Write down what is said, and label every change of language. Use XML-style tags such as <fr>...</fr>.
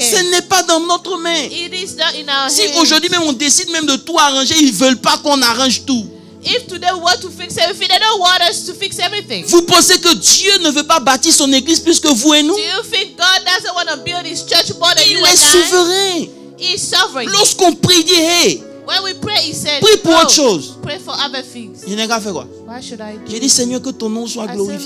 <fr>Ce n'est pas dans notre main.</fr> <en>It is not in our</en> <fr>si</fr> <en>hands.</en> <fr>Aujourd'hui même on décide même de tout arranger, ils ne veulent pas qu'on arrange tout.</fr> <en>If today we want to fix everything, they don't want us to fix everything.</en> <fr>Vous pensez que Dieu ne veut pas bâtir son église plus que vous et nous?</fr> <en>Do you think God doesn't want to build his church more than</en> <fr>il</fr> <en>you and I?</en> <fr>Il est souverain.</fr> <en>He's sovereign.</en> <fr>Lorsqu'on prie, il dit, hey,</fr> <en>when we pray, he said,</en> <fr>prie pour autre chose.</fr> <en>Pray for other things.</en> <fr>Il n'a qu'à faire quoi?</fr> <en>Why should I do?</en> <fr>J'ai dit, Seigneur, que ton nom soit glorifié.</fr>